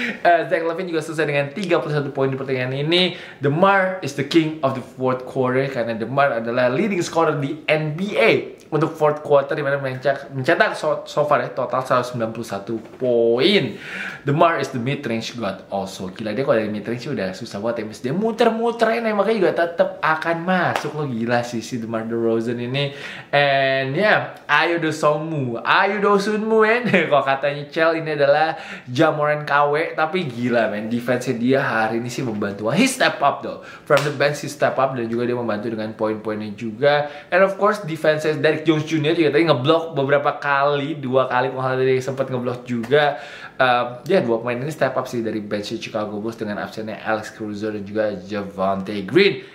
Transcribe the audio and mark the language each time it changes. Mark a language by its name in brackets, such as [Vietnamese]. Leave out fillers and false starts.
[Indonesian] Zach LaVine juga selesai dengan 31 poin di pertandingan ini. [English] DeMar is the king of the fourth quarter [Indonesian] karena DeMar adalah leading scorer di NBA untuk fourth quarter, di mana mencetak [English] so far [Indonesian] ya total 191 poin. [English] DeMar is the mid-range god also. [Indonesian] Gila, dia kalau dari mid-range sih udah susah buat tembus. Dia muter-muterin ya, makanya juga tetap akan masuk. Lo gila sih si DeMar DeRozan ini. And yeah, ayo dosongmu, ayo dosunmu men. Kalau katanya Chel, ini adalah Jamoran KW. Tapi gila men, defense-nya dia hari ini sih membantu. [English] He step up though, from the bench he step up. [Indonesian] Dan juga dia membantu dengan poin-poinnya juga. [English] And of course, [Indonesian] defense-nya Derek Jones Jr. juga tadi ngeblok beberapa kali, dua kali kalau tadi sempat ngeblok juga. Ya, dua pemain ini step up sih dari bench Chicago Bulls dengan absennya Alex Caruso dan juga Javonte Green.